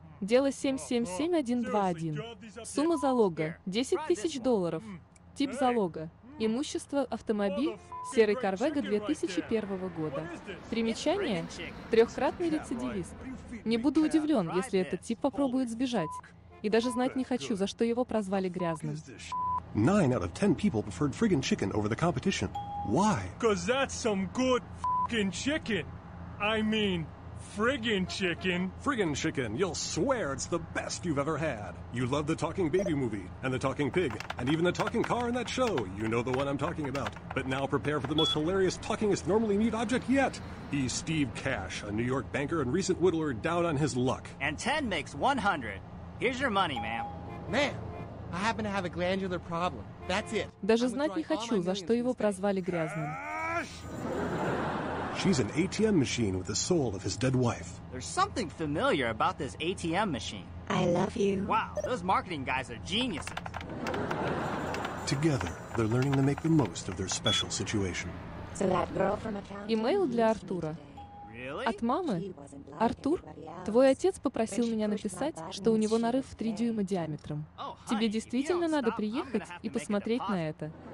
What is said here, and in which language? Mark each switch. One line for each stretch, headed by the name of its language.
Russian: Дело 777121. Сумма залога – $10,000. Тип залога – имущество, автомобиль, серый Корвега 2001 года. Примечание – трехкратный рецидивист. Не буду удивлен, если этот тип попробует сбежать. И даже знать не хочу, за что его прозвали грязным.
English: 9 out of 10 people preferred Friggin' Chicken over the competition. Why? Because that's some good f***ing chicken. I mean, Friggin' Chicken. Friggin' Chicken, you'll swear it's the best you've ever had. You love the talking baby movie, and the talking pig, and even the talking car in that show. You know the one I'm talking about. But now prepare for the most hilarious, talkingest, normally mute object yet. He's Steve Cash, a New York banker and recent whittler down on his luck. And 10 makes 100. Here's your money, ma'am. Ma'am. I happen to have a glandular problem. That's it.
Russian: Даже знать не хочу, за что его прозвали грязным.
English: She's an ATM machine with the soul of his dead wife. There's something familiar about this ATM machine. I love you. Wow, those marketing guys are geniuses. Together, they're learning to make the most of their special situation. So that girl from accounting.
Russian: Email для Артура. От мамы? Артур, твой отец попросил меня написать, что у него нарыв в 3 дюйма диаметром. Тебе действительно надо приехать и посмотреть на это.